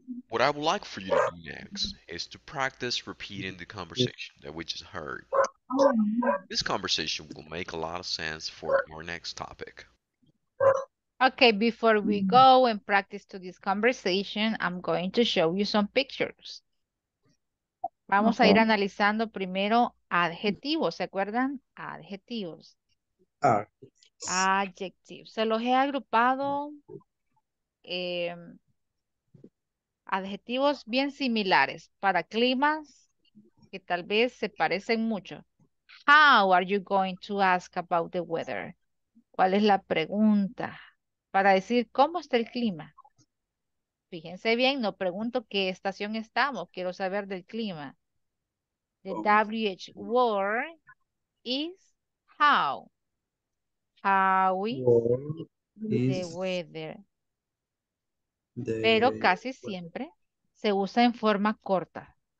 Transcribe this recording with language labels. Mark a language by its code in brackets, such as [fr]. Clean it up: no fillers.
[en] What I would like for you to do next is to practice repeating the conversation that we just heard. This conversation will make a lot of sense for our next topic. Okay, before we go and practice to this conversation, I'm going to show you some pictures. [es] Vamos a ir analizando primero adjetivos, ¿se acuerdan? Adjetivos. Adjectives. Se los he agrupado adjetivos bien similares para climas que tal vez se parecen mucho. [en] How are you going to ask about the weather? [es] ¿Cuál es la pregunta? Para decir, ¿cómo está el clima? Fíjense bien, no pregunto qué estación estamos, quiero saber del clima. [en] The WH word is how. How is the weather? [es] Pero casi siempre se usa en forma corta.